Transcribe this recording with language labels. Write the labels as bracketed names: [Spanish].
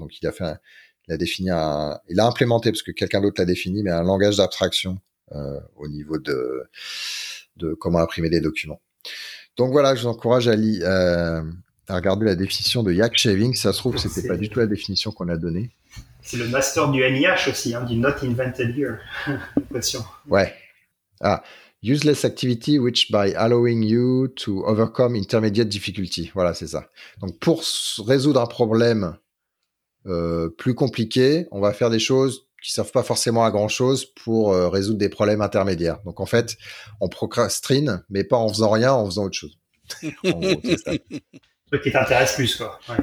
[French] Donc il a implémenté, parce que quelqu'un d'autre l'a défini, mais un langage d'abstraction. Au niveau de comment imprimer des documents. Donc voilà, je vous encourage à regarder la définition de Yak Shaving. Ça se trouve que c'était pas du tout la définition qu'on a donnée. C'est le master du NIH aussi, hein, du Not Invented Here. Question. Ouais. [English] Ah, useless activity which by allowing you to overcome intermediate difficulty. [French] Voilà, c'est ça. Donc pour résoudre un problème plus compliqué, on va faire des choses qui servent pas forcément à grand chose pour résoudre des problèmes intermédiaires. Donc en fait, on procrastine, mais pas en faisant rien, en faisant autre chose. En gros, c'est ça. Le truc qui t'intéresse plus, quoi. Ouais.